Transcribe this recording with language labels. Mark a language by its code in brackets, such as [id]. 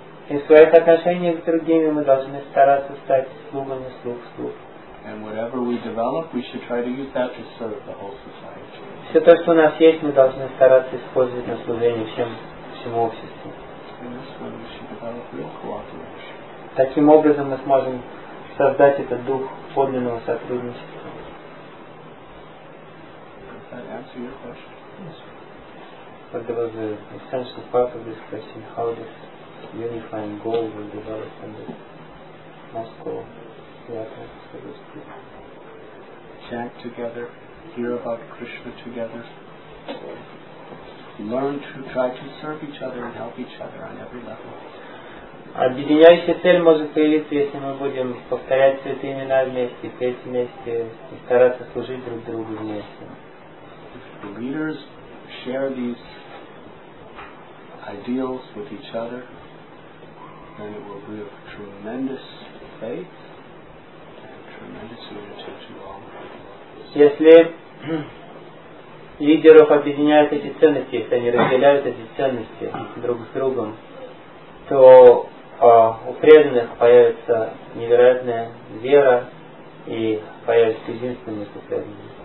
[ru] И в своих отношениях с другими мы должны стараться стать слугами слуг слуг. [en] And whatever we develop, we should try to use that to serve the whole society. [ru] Все то, что у нас есть, мы должны стараться использовать на служение всем, всему обществу. [en] And this way we should develop real cooperation. [ru] Таким образом мы сможем создать этот дух подлинного сотрудничества. [en] Does that answer your question? But there was an essential part of this question. How does unifying goal will develop in the Moscow theater, so to speak. Chant together, hear about Krishna together, learn to try to serve each other and help each other on every level. [ru] Объединяющая цель может появиться, если мы будем повторять святые имена вместе, петь вместе и стараться служить друг другу вместе. [en] The leaders share these ideals with each other, then it will give tremendous faith and tremendous unity to all. [ru] Если лидеров объединяют эти ценности, если они разделяют эти ценности друг с другом, то у преданных появится невероятная вера и появится единство между преданными.